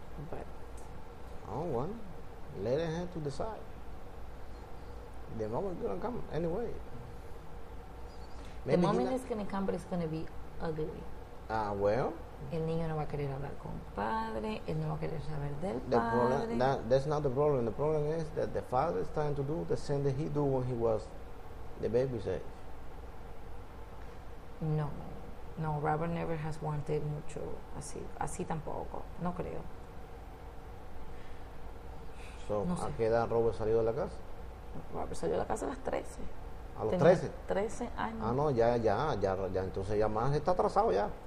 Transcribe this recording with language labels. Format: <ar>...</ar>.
<en>But oh, well, let it have to decide. The moment is gonna come anyway. Maybe the moment is gonna come, but it's gonna be ugly. Well,</en> <es>el niño no va a querer hablar con padre, él no va a querer saber del</es> <en>the</en> <es>padre.</es> <en>That's not the problem. The problem is that the father is trying to do the same that he do when he was the baby's age. No, Robert never has wanted</en> <es>mucho así tampoco. No creo. No, ¿a qué edad Robert salió de la casa? Robert salió de la casa a las 13. ¿A los 13? 13 años. Ah, no, ya. Entonces ya Max está atrasado ya.</es>